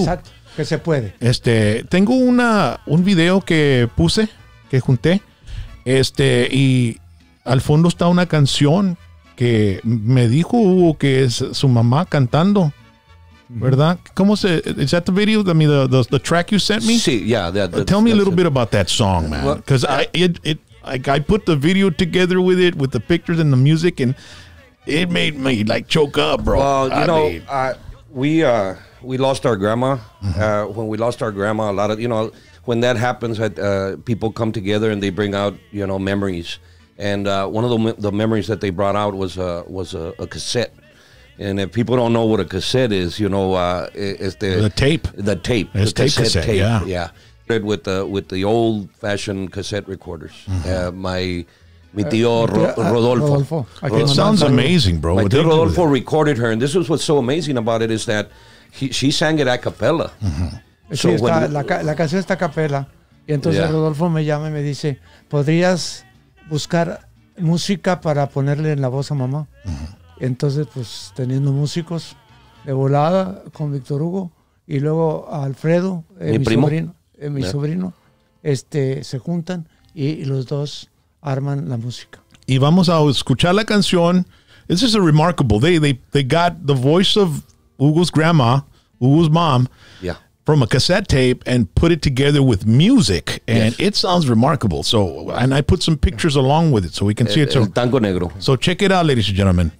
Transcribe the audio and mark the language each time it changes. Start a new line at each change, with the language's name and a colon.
Spanish: Exacto, que se puede. Tengo un video que puse, que junté, y al fondo está una canción que me dijo Hugo que es su mamá cantando. ¿Verdad? ¿Cómo se?
English: Is that the video? I mean, the track you sent me.
Spanish: Sí, yeah.
English: Tell me a little bit about that song, man. Because I put the video together with it, with the pictures and the music, and it made me like choke up, bro. Well, we lost our grandma. Mm-hmm. When we lost our grandma, a lot of when that happens, people come together and they bring out memories. And one of the memories that they brought out was a cassette. And if people don't know what a cassette is, the tape. The tape. It's the cassette tape. Yeah. Yeah. With the old fashioned cassette recorders. Mm-hmm. Rodolfo. It sounds amazing, bro. My tío Rodolfo recorded her. And this is what's so amazing about it is that she sang it a cappella.
Spanish: Mm-hmm. So la canción está a cappella. Y entonces yeah. Rodolfo me llama y me dice, ¿podrías buscar música para ponerle en la voz a mamá? Mm-hmm. Entonces, pues, teniendo músicos de volada con Víctor Hugo y luego Alfredo, mi sobrino, se juntan y los dos arman la música. Y vamos a escuchar la canción.
English: This is a remarkable. They got the voice of Hugo's grandma, Hugo's mom, yeah, from a cassette tape and put it together with music. And yes, it sounds remarkable. So, and I put some pictures along with it so we can see it.
Spanish: El tango negro.
English: So check it out, ladies and gentlemen.